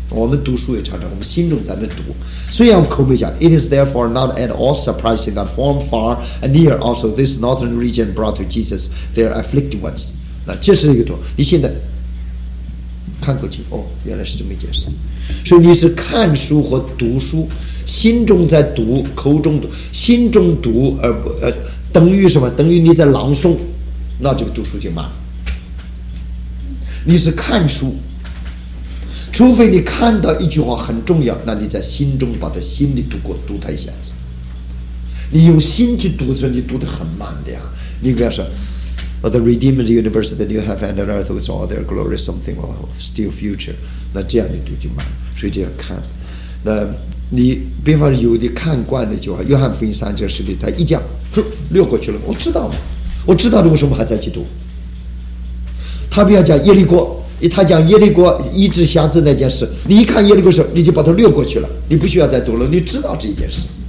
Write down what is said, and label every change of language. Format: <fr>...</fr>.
<zh>我们读书也常常我们心中在那读，虽然我们口没讲</zh> <en>It is therefore not at all surprising that from far and near also this northern region brought to Jesus their afflicted ones。</en> <zh>那这是一个读，你现在看过去，哦，原来是这么一件事。所以你是看书和读书，心中在读，口中读，心中读，而不等于什么？等于你在朗诵，那这个读书就慢了。你是看书，除非你看到一句话很重要，那你在心中把它心里读过，读它一下子。你用心去读的时候，你读得很慢的呀。你比方说。</zh> <en>But the redeemed universe, the new heaven and earth with all their glory, something still future.</en> <zh>那这样你读就慢，所以这样看。那你比方有的看惯的就好，约翰福音三章十里，他一讲，略过去了。我知道嘛，我知道的，为什么还在去读？他不要讲耶利哥，他讲耶利哥医治瞎子那件事，你一看耶利哥时，你就把它略过去了，你不需要再读了，你知道这件事。</zh>